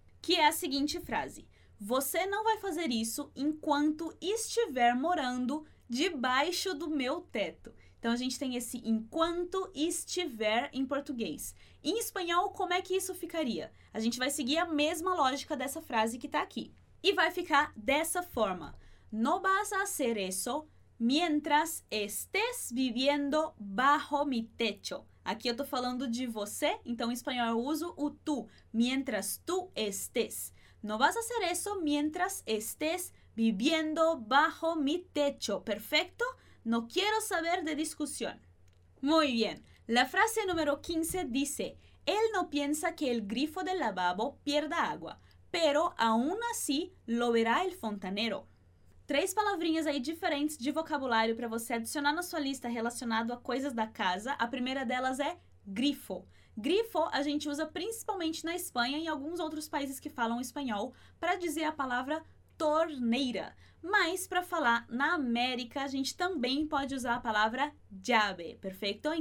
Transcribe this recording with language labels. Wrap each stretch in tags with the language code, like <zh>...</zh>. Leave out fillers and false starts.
<pt>Que é a seguinte frase: você não vai fazer isso enquanto estiver morando debaixo do meu teto. Então a gente tem esse enquanto estiver em português. Em espanhol, como é que isso ficaria? A gente vai seguir a mesma lógica dessa frase que está aqui. E vai ficar dessa forma:</pt> <es>no vas a hacer eso mientras estés viviendo bajo mi techo.</es> <pt>Aqui eu tô falando de você, então em espanhol eu uso o tú,</pt> <es>mientras tú estés. No vas a hacer eso mientras estés viviendo bajo mi techo, perfecto? No quiero saber de discusión. Muy bien, la frase número 15 dice: él no piensa que el grifo del lavabo pierda agua, pero aún así lo verá el fontanero.</es> <pt>Três palavrinhas aí diferentes de vocabulário para você adicionar na sua lista relacionado a coisas da casa. A primeira delas é grifo. Grifo a gente usa principalmente na Espanha e em alguns outros países que falam espanhol para dizer a palavra torneira. Mas para falar na América, a gente também pode usar a palavra llave, perfeito?</pt>